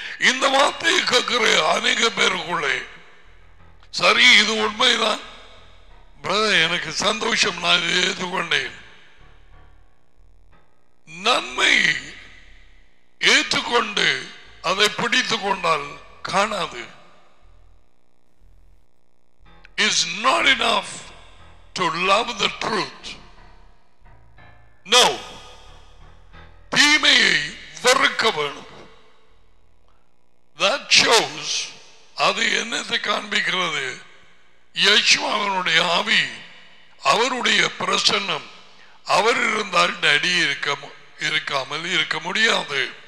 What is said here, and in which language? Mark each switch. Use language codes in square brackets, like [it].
[ta] இந்த வார்த்தையை கேட்கிற அநேக பேருக்குள்ளே, சரி இது உண்மைதான் பிரதர், எனக்கு சந்தோஷம், நான் இதை ஏற்றுக்கொண்டேன். நன்மை ஏற்றுக்கொண்டு அதை பிடித்து கொண்டால் காணாது. [en] It's not enough to love the truth. No, [ta] தீமையை வெறுக்க வேணும். [en] That shows, [ta] அது என்னத்தை காண்பிக்கிறது? யேசுவாவினுடைய ஆவி, அவருடைய பிரசன்னம். அவர் இருந்தால் நடி இருக்காமல் இருக்க முடியாது.